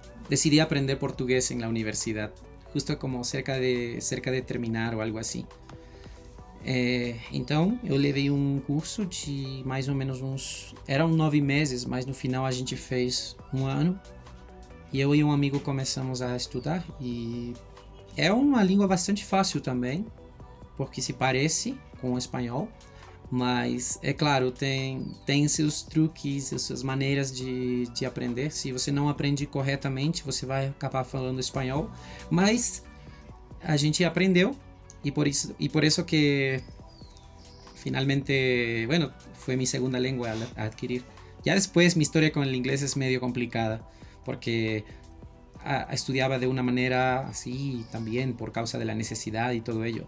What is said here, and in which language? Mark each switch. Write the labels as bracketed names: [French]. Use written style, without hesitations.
[Spanish] Decidí aprender portugués en la universidad, justo como cerca de terminar o algo así. [Portuguese] Então eu levei um curso de mais ou menos uns, eram 9 meses, mas no final a gente fez 1 ano, e eu e um amigo começamos a estudar, e é uma língua bastante fácil também, porque se parece com o espanhol, mas é claro, tem seus truques, suas maneiras de aprender. Se você não aprende corretamente, você vai acabar falando espanhol, mas a gente aprendeu. [Spanish] Y por eso que finalmente, bueno, fue mi segunda lengua a adquirir. Ya después mi historia con el inglés es medio complicada, porque estudiaba de una manera así también por causa de la necesidad y todo ello.